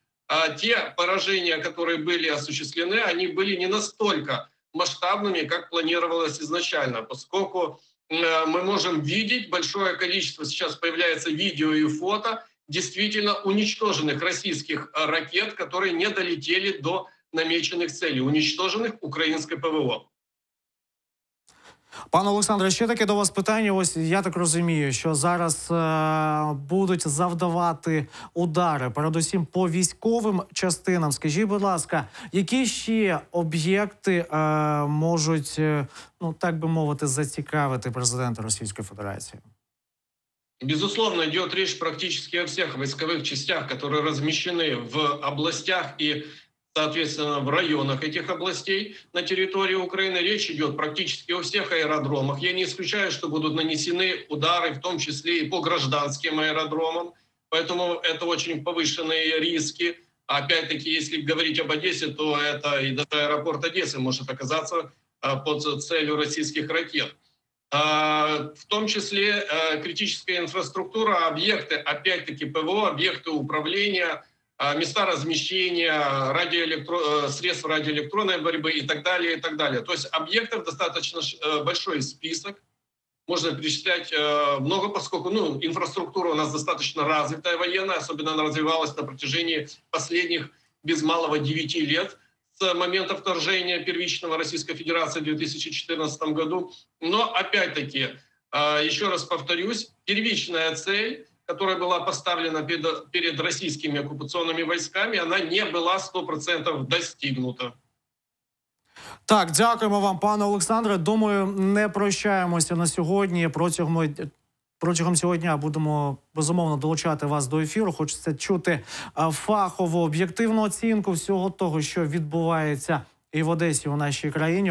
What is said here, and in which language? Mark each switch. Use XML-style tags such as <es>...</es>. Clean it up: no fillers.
<ru>А те поражения, которые были осуществлены, они были не настолько масштабными, как планировалось изначально, поскольку мы можем видеть большое количество, сейчас появляется видео и фото, действительно уничтоженных российских ракет, которые не долетели до намеченных целей, уничтоженных украинской ПВО.</ru> <uk>Пане Олександре, ще таке до вас питання. Ось я так розумію, що зараз будуть завдавати удари, передусім по військовим частинам. Скажіть, будь ласка, які ще об'єкти можуть, ну так би мовити, зацікавити президента Російської Федерації? Безусловно, йде річ практично о всіх військових частинах, які розміщені в областях і соответственно,</uk> <ru>в районах этих областей на территории Украины. Речь идет практически о всех аэродромах. Я не исключаю, что будут нанесены удары, в том числе и по гражданским аэродромам. Поэтому это очень повышенные риски. Опять-таки, если говорить об Одессе, то это и даже аэропорт Одессы может оказаться под целью российских ракет. В том числе критическая инфраструктура, объекты, опять-таки ПВО, объекты управления, места размещения средств радиоэлектронной борьбы и так далее, и так далее. То есть объектов достаточно большой список. Можно перечислять много, поскольку инфраструктура у нас достаточно развитая военная, особенно она развивалась на протяжении последних без малого 9 лет с момента вторжения первичного Российской Федерации в 2014 году. Но опять-таки, еще раз повторюсь, первичная цель, которая была поставлена перед российскими оккупационными войсками, она не была 100% достигнута.</ru> <uk>Так, дякуємо вам, пане Олександре. Думаю, не прощаємося на сьогодні. Протягом цього дня будемо, безумовно, долучати вас до ефіру. Хочеться чути фахову, об'єктивну оцінку всього того, що відбувається і в Одесі, і в нашій країні.</uk>